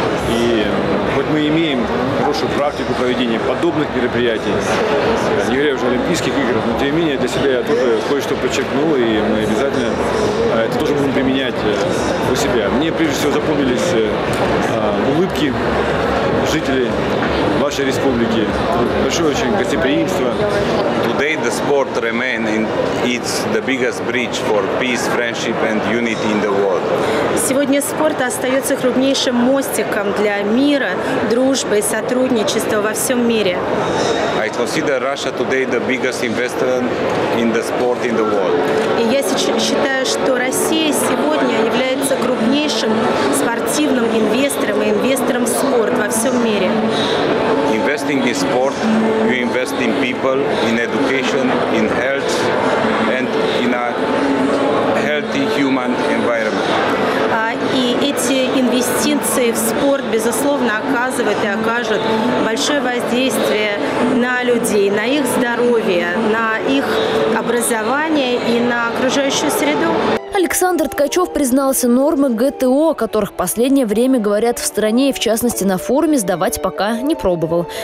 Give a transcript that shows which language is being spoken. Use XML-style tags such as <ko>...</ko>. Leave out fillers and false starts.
<ru>И хоть мы имеем хорошую практику проведения подобных мероприятий, не говоря уже олимпийских игр, но тем не менее для себя я тоже кое-что подчеркнул, и мы обязательно это тоже будем применять у себя. Мне прежде всего запомнились улыбки жителей вашей республики, большое очень гостеприимство.</ru> <en>Today the sport remain in its the biggest bridge for peace, friendship and unity in the world.</en> <ru>Сегодня спорт остается крупнейшим мостиком для мира, дружбы и сотрудничества во всем мире.</ru> <en>I consider Russia today the biggest investor in the sport in the world.</en> <ru>И я считаю, что Россия сегодня является крупнейшим спортивным инвестором и инвестором в спорт во всем мире.</ru> <en>Investing in sport, you invest in people, in education, in health, and in a healthy human environment.</en> <ru>И эти инвестиции в спорт, безусловно, оказывают и окажут большое воздействие на людей, на их здоровье, на их образование и на окружающую среду. Александр Ткачев признался, нормы ГТО, о которых в последнее время говорят в стране и в частности на форуме, сдавать пока не пробовал.</ru>